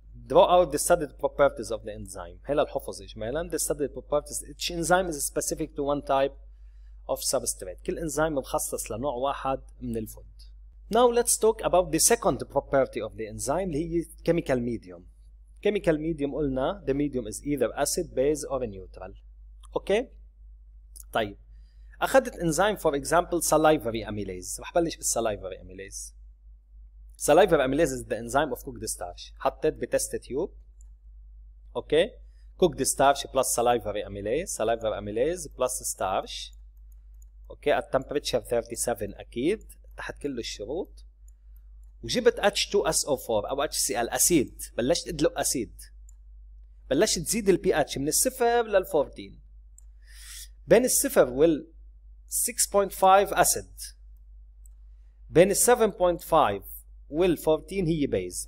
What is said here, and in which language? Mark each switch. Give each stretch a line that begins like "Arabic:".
English: Draw out the studied properties of the enzyme.
Arabic: هلا الحفظ إجمالا.
English: The studied properties. Each enzyme is specific to one type of substrate.
Arabic: كل إنزيم مخصص لنوع واحد من الفود.
English: Now let's talk about the second property of the enzyme.
Arabic: اللي هي chemical medium.
English: Chemical medium قلنا the medium is either acid, base, or neutral. Okay. طيب.
Arabic: أخذت إنزيم for example salivary amylase. رح بلش بالsalivary amylase.
English: Salivary amylase is the enzyme of cooked starch.
Arabic: حطيت بتست تيوب.
English: Okay. Cooked starch plus salivary amylase. Salivary amylase plus starch. Okay. At temperature 37 أكيد.
Arabic: تحت كل الشروط. وجبت H2SO4 أو HCl أسيد. بلشت أدلق أسيد. بلشت تزيد الـ pH من الصفر للـ 14. بين الصفر وال 6.5 acid بين 7.5 وال 14 هي بيز.